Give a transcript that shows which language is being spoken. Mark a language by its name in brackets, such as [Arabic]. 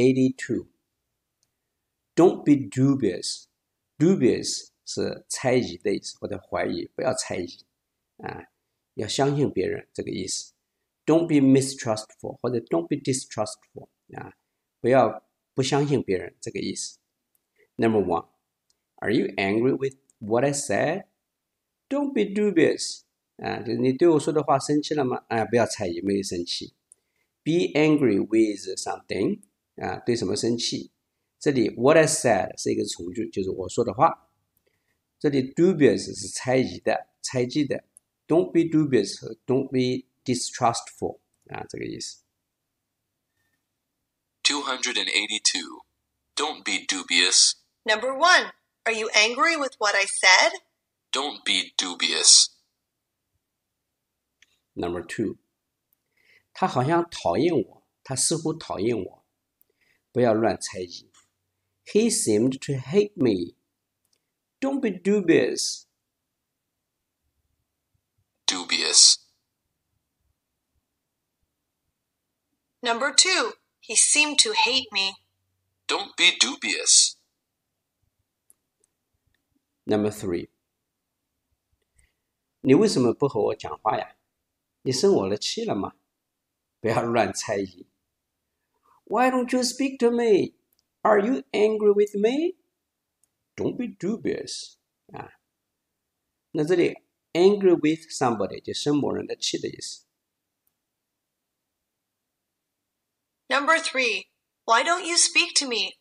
[Chinese] 282， [English] don't be dubious， [Chinese] dubious 是猜疑的意思，或者怀疑，不要猜疑。要相信别人这个意思。 [English] Don't be mistrustful [Chinese] 或者 [English] don't be distrustful [Chinese] 啊，不要不相信别人这个意思。 [English] Number one， Are you angry with what I said？ Don't be dubious [Chinese] 啊，就你对我说的话生气了吗？不要猜疑，没有生气。 [English] Be angry with something [Chinese] 啊，对什么生气？这里 [English] what I said [Chinese] 是一个从句，就是我说的话。这里 dubious 是猜疑的，猜忌的。 [English] Don't be dubious, don't be distrustful. [Chinese] 啊，这个意思。 [English] 282. Don't be dubious. Number one, are you angry with what I said? Don't be dubious. Number two, [Chinese] 他好像讨厌我，他似乎讨厌我，不要乱猜疑。 [English] He seemed to hate me. Don't be dubious. Dubious. Number two, He seemed to hate me. Don't be dubious. Number three. [Chinese] 你为什么不和我讲话呀? 你生我的气了吗?不要乱猜疑。 [English] Why don't you speak to me? Are you angry with me? Don't be dubious. [Chinese] 那这里, [English] angry with somebody, [Chinese] 就生某人的气的意思。 [English] Number three, why don't you speak to me?